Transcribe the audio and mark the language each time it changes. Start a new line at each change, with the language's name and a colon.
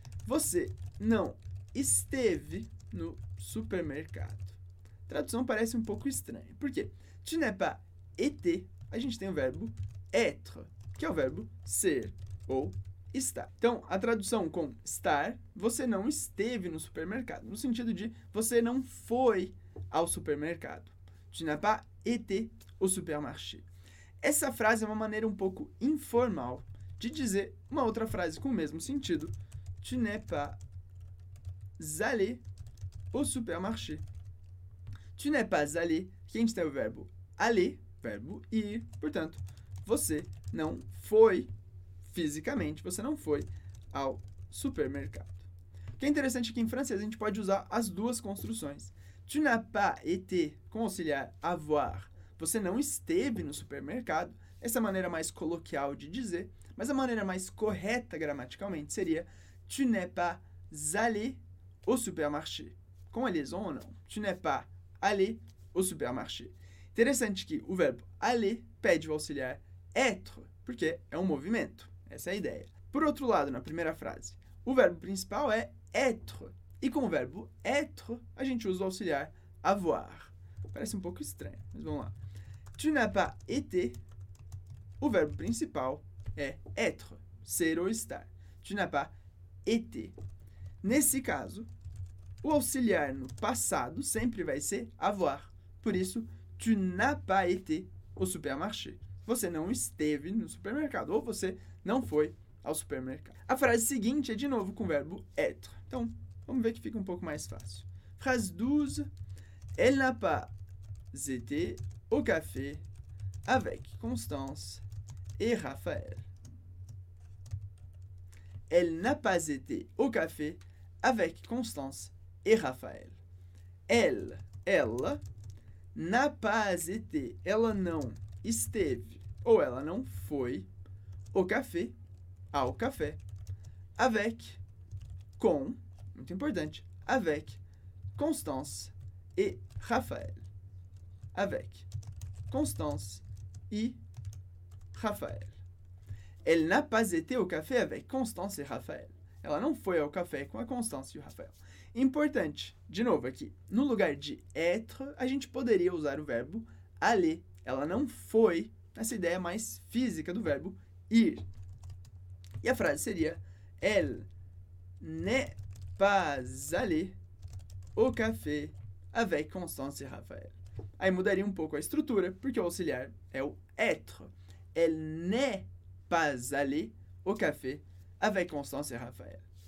Portuguese: Você não esteve no supermercado. A tradução parece um pouco estranha. Por quê?
French: Tu n'as pas été.
Portuguese: A gente tem o verbo être, que é o verbo ser ou estar. Então, a tradução com estar, você não esteve no supermercado. No sentido de você não foi ao supermercado.
French: Tu n'as pas été au supermarché.
Portuguese: Essa frase é uma maneira um pouco informal de dizer uma outra frase com o mesmo sentido.
French: Tu n'es pas allé au supermarché. Tu n'es pas allé,
Portuguese: aqui a gente tem o verbo aller, verbo ir, portanto, você não foi fisicamente, você não foi ao supermercado. O que é interessante é que em francês a gente pode usar as duas construções.
French: tu n'as pas été conseillado a voir.
Portuguese: Você não esteve no supermercado. Essa é a maneira mais coloquial de dizer. Mas a maneira mais correta gramaticalmente seria
French: tu n'es pas allé au supermarché.
Portuguese: Com a liaison ou não?
French: Tu n'es pas allé au supermarché.
Portuguese: Interessante que o verbo aller pede o auxiliar être, porque é um movimento. Essa é a ideia. Por outro lado, na primeira frase, o verbo principal é être. E com o verbo être, a gente usa o auxiliar avoir. Parece um pouco estranho, mas vamos lá.
French: Tu n'as pas été.
Portuguese: O verbo principal é être, ser ou estar.
French: Tu n'as pas été.
Portuguese: Nesse caso, o auxiliar no passado sempre vai ser avoir. Por isso,
French: tu n'as pas été au supermarché.
Portuguese: Você não esteve no supermercado ou você não foi ao supermercado. A frase seguinte é de novo com o verbo être. Então, vamos ver que fica um pouco mais fácil. Frase 12.
French: Elle n'a pas été au café avec Constance et Raphaël. Elle n'a pas été au café avec Constance et Raphaël.
Portuguese: Ela
French: n'a pas été,
Portuguese: ela não esteve ou ela não foi ao café avec, com, muito importante, avec Constance et Raphaël.
French: Avec Constance e Raphaël. Elle n'a pas été au café avec Constance et Raphaël.
Portuguese: Ela não foi ao café com a Constance e o Raphaël. Importante, de novo aqui, no lugar de être, a gente poderia usar o verbo aller. Ela não foi, nessa ideia mais física do verbo ir. E a frase seria,
French: elle n'est pas allée au café avec Constance et Raphaël.
Portuguese: Aí mudaria um pouco a estrutura, porque o auxiliar é o être.
French: Elle n'est pas allée au café avec Constance et Raphaël.